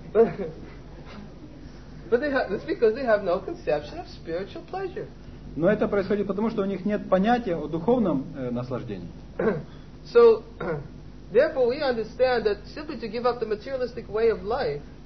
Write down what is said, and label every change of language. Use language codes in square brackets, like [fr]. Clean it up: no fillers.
[en] It's because they have no conception of spiritual pleasure. [ru] Но это происходит потому, что у них нет понятия о духовном наслаждении. [en] So, therefore, we understand that simply to give up the materialistic way of life.